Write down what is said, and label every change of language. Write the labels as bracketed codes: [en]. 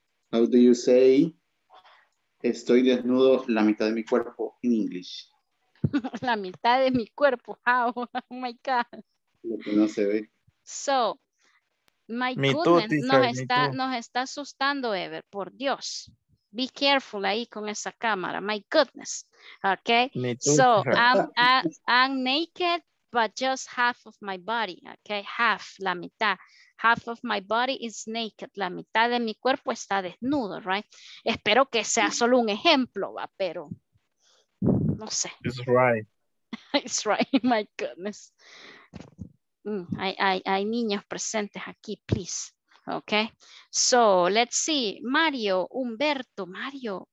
[en] How do you say, [es] estoy desnudo la mitad de mi cuerpo [en] in English? [es] La mitad de mi cuerpo, [en] how? Oh my God. [es] No se ve. So, [en] my goodness, [es] nos está asustando, Ever, por Dios. [en] Be careful [es] ahí con esa cámara, [en] my goodness. Okay, so I'm naked, but just half of my body, okay, half, [es] la mitad. [en] Half of my body is naked, [es] la mitad de mi cuerpo está desnudo, [en] right? [es] Espero que sea solo un ejemplo, va, pero no sé. [en] It's right. It's right, my goodness. [es] Hay niños presentes aquí, [en] please. Okay. So, let's see. Mario, Humberto, Mario.